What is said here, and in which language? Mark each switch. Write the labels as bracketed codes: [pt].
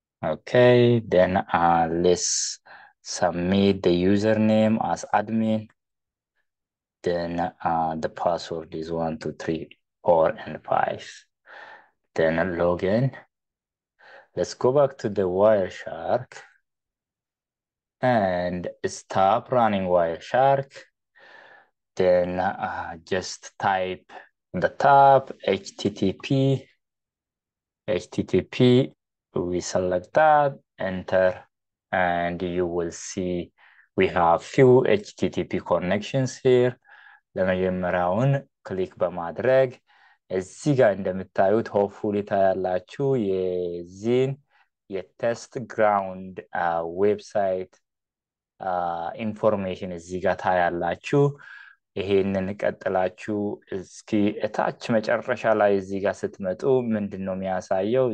[en] ኦኬ ደን ሌስ ሰሚት ደ ዩዘር ኔም አስ አድሚን ደን ደ ፓስወርድ ኢዝ 123 4 and 5 then login. Let's go back to the Wireshark and stop running Wireshark. Then just type the top http, we select that, enter, and you will see we have few http connections here. [am] ለመጀመሪያውን ክሊክ በማድረግ እዚህ ጋር እንደምታዩት ሆፕፉሊ ታያላችሁ የዚህን የቴስት ግራውንድ ዌብሳይት ኢንፎርሜሽን እዚህ ጋር ታያላችሁ። ይሄንን ቀጥላችሁ እስኪ እታች መጨረሻ ላይ እዚህ ጋር ስትመጡ ምንድን ነው የሚያሳየው?